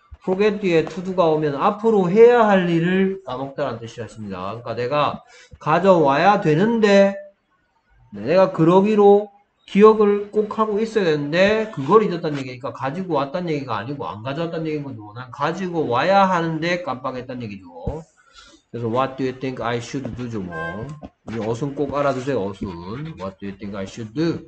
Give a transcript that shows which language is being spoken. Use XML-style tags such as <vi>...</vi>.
<ko>forget 뒤에 to do가 오면 앞으로 해야 할 일을 까먹다라는 뜻이었습니다. 그러니까 내가 가져와야 되는데 내가 그러기로 기억을 꼭 하고 있어야 되는데 그걸 잊었다는 얘기니까 가지고 왔다는 얘기가 아니고 안 가져왔다는 얘기인 거죠. 난 가지고 와야 하는데 깜빡했다는 얘기죠. 그래서</ko> <en>what do you think I should do죠.</en> <ko>뭐 이 어순 꼭 알아두세요. 어순</ko> <en>what do you think I should do?</en>